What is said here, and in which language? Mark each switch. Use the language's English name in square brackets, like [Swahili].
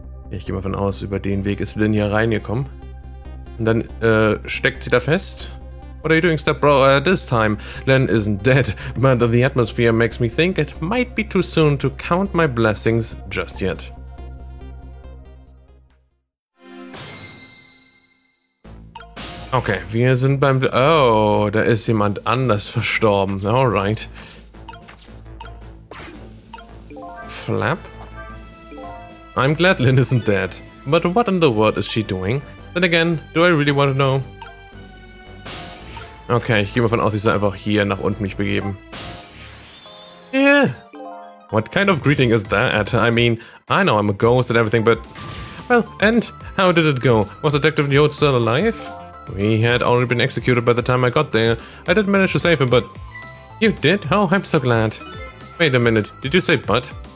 [German] Ich gehe mal davon aus, über den Weg ist Lynn hier reingekommen. Und dann steckt sie da fest. [English] What are you doing, Stepbro, this time? Lynn isn't dead, but the atmosphere makes me think it might be too soon to count my blessings just yet. [German] Okay, wir sind beim... Oh, da ist jemand anders verstorben. Alright. Flap? [English] I'm glad Lynn isn't dead, but what in the world is she doing? Then again, do I really want to know? [German] Okay, ich gehe mal von aus, ich soll einfach hier nach unten mich begeben. [English] Yeah. What kind of greeting is that? I mean, I know I'm a ghost and everything, but... Well, and how did it go? Was Detective Yeo still alive? He had already been executed by the time I got there. I did manage to save him, but... You did? Oh, I'm so glad. Wait a minute, did you say but?